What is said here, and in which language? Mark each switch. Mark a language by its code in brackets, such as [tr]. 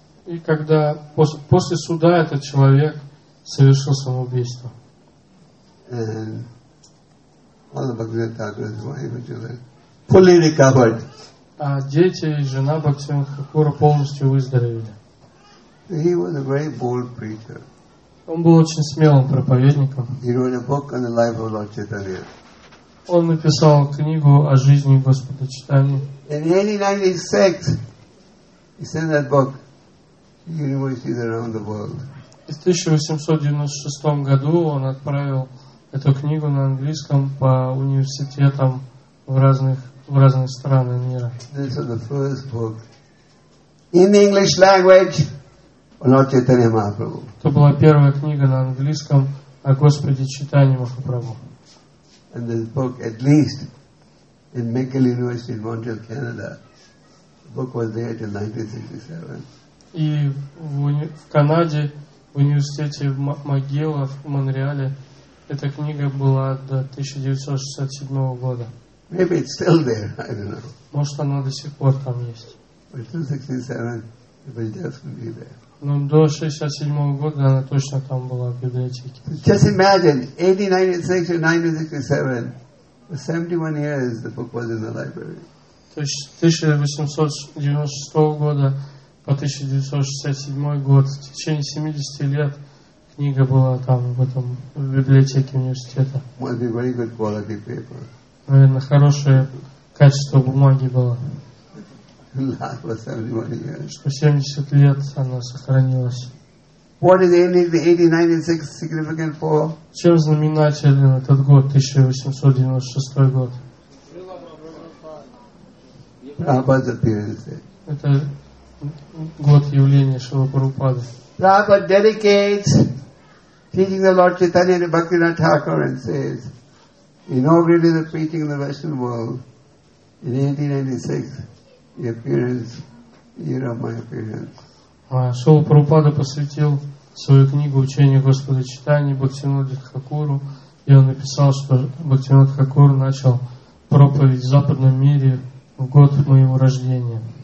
[ru] И когда после суда этот человек совершил самоубийство. [en] And all the Bhaktivinoda Thakura's wife and children fully recovered. [ru] А дети и жена Бхактивинода Хакура полностью выздоровели. [en] He was a very bold preacher. [ru] Он был очень смелым проповедником. [en] He wrote a book on the life of Lord Chaitanya. [ru] Он написал книгу о жизни Господа Чайтаньи. [en] In 1896, he sent that book to universities around the world. [ru] В 1896 году он отправил эту книгу на английском по университетам в разных странах мира. [en] This is the first book in the English language of Lord Chaitanya Mahaprabhu. [ru] Это была первая книга на английском о Господе Чайтанье Махапрабху. [en] And this book, at least, in McGill University in Montreal, Canada. Book was there till 1967. [ru] И в Канаде, в университете Макгилла в Монреале, эта книга была до 1967 года. [en] Maybe it's still there, I don't know. [ru] Может, она до сих пор там есть. [en] But till 1967, it was definitely there. [ru] Но до 1967 года она точно там была в библиотеке. [en] Just imagine, 1896 and 1967, 71 years the book was in the library. [ru] То есть с 1896 года по 1967 год, в течение 70 лет книга была там, в библиотеке университета. [en] Must be very good quality paper. [ru] Наверное, хорошее качество бумаги было. Что 70 лет она сохранилась. [en] What is the 1896 significant for? [ru] Чем знаменателен этот год, 1896 год? [en] Prabhupada's appearance. [ru] Это год явления Шрилы Прабхупады. [en] Prabhupada dedicates teaching the Lord Chaitanya to Bhaktivinoda Thakur and says, inaugurating the preaching in the Western world in 1896, the appearance, the year of my appearance. [ru] Шрила Прабхупада посвятил свою книгу учению Господа Чайтаньи Бхактивинода Хакуру, и он написал, что Бхактивинода Хакур начал проповедь в западном мире в год моего рождения.